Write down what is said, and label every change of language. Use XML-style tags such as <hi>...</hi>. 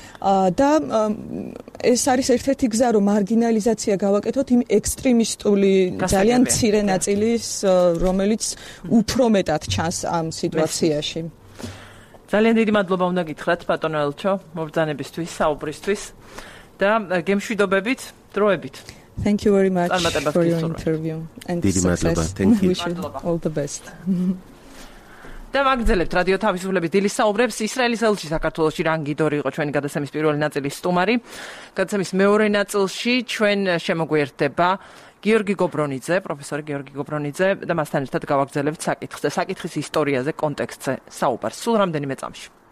<ka>Და ეს არის ერთ-ერთი გზა, რომ მარგინალიზაცია გავაკეთოთ იმ ექსტრემისტული ძალიან ცირე ნაწილის, რომელიც უფრო მეტად ჩანს ამ სიტუაციაში. ძალიან დიდი მადლობა უნდა გითხრათ ბატონო ელჩო მოგზანებისთვის საუბრისთვის და გემშვიდობებით დროებით.</ka> <en>Thank you very much for your interview and</en> <ka>დიდი მადლობა.</ka> <en>Thank you. All the best.</en> <ka>და ვაგრძელებთ რადიო თავისუფლების დილის საუბრებს. ისრაელის ელჩი საქართველოში რან გიდორი იყო ჩვენი გადაცემის პირველი ნაწილის სტუმარი. გადაცემის მეორე ნაწილში ჩვენ შემოგვიერთდება გიორგი გობრონიძე, პროფესორი გიორგი გობრონიძე და მასთან ერთად გავაგრძელებთ საკითხს და საკითხის ისტორიაზე, კონტექსტზე საუბარს სულ რამდენიმე წამში.</ka>